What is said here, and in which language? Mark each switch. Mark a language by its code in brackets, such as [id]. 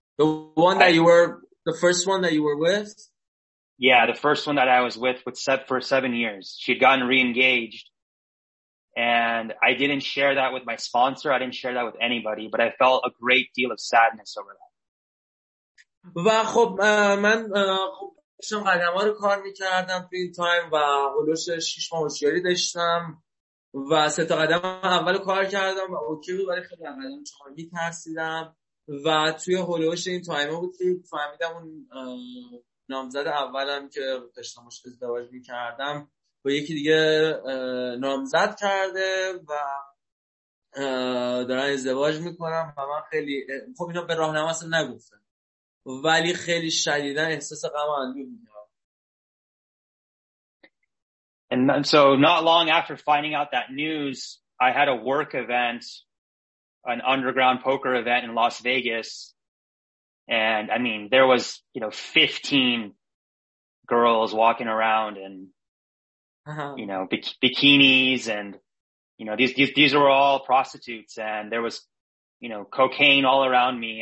[en] the one that you were with? Yeah, the first one that I was with for 7 years. She'd gotten re-engaged. And I didn't share that with my sponsor. I didn't share that with anybody. But I felt a great deal of sadness over that. [fa] و خب من خب داشتم قدم‌ها رو کار می‌کردم توی این تایم و حدود 6 ماه هوشیاری داشتم و 3 تا قدم اول کار کردم و اوکی بود، ولی خیلی از قدم 4 می‌ترسیدم و توی حدود این تایم بود که فهمیدم اون نامزد اولم که داشتم باهاش ازدواج می‌کردم با یکی دیگه نامزد کرده و دارن ازدواج میکنم و من خیلی خب اینا به راهنما اصلا نگفتم، ولی خیلی شدیداً احساس غم و اندوه می‌کردم. [en] And so not long after finding out that news, I had a work event, an underground poker event in Las Vegas, and I mean there was, you know, 15 girls walking around and you know, bikinis and, you know, these were all prostitutes and there was, you know, cocaine all around me.